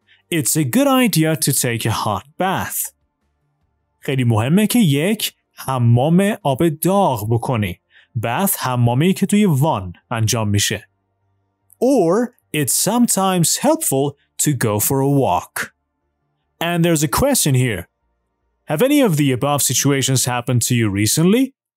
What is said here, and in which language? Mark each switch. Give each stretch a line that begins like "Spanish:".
English: It's a good idea to take a hot bath.
Persian: خیلی مهمه که یک حمام آب داغ بکنی. Bath حمامی که توی وان انجام میشه.
English: Or it's sometimes helpful to go for a walk. And there's a question here. Have any of the above situations happened to you recently?